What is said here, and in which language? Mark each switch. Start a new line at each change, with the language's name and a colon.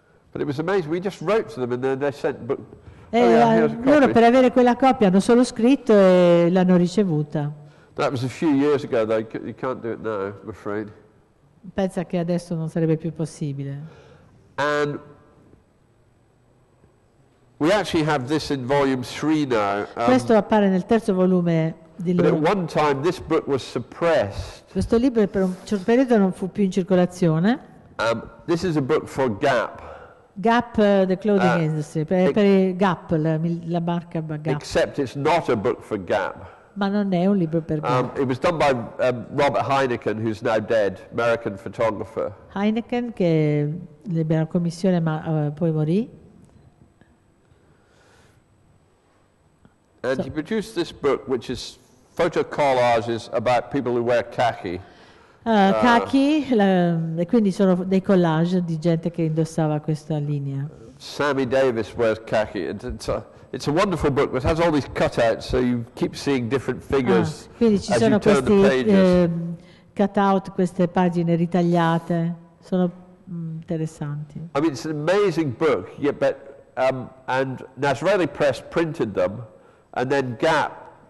English: But it was amazing. We just wrote to them and then they sent book.
Italian: Loro per avere quella copia hanno solo scritto e l'hanno ricevuta.
English: That was a few years ago, though. You can't do it now, I'm afraid.
Italian: Pensa che adesso non sarebbe più possibile.
English: And we actually have this in volume 3 now.
Italian: Questo appare nel terzo volume di loro.
English: But at one time this book was suppressed.
Italian: Questo libro per un certo periodo non fu più in circolazione.
English: This is a book for Gap. Gap, the clothing industry,
Italian: per Gap, la marca Gap.
English: Except it's not a book for Gap.
Italian: Ma non è un libro per Gap.
English: It was done by Robert Heineken, who's now dead, American photographer.
Italian: Heineken, che ebbe la commissione, ma poi morì.
English: And so, he produced this book, which is photo collages about people who wear khaki.
Italian: E quindi sono dei collage di gente che indossava questa linea.
English: Sammy Davis wears khaki. It's a wonderful book, but it has all these cutouts, so you keep seeing different figures.
Italian: Quindi ci
English: as
Italian: sono
English: you turn
Italian: questi
English: cutout,
Italian: queste pagine ritagliate, sono interessanti.
English: I mean, it's an amazing book, yeah, but and Nasrallah Press printed them, and then Gap.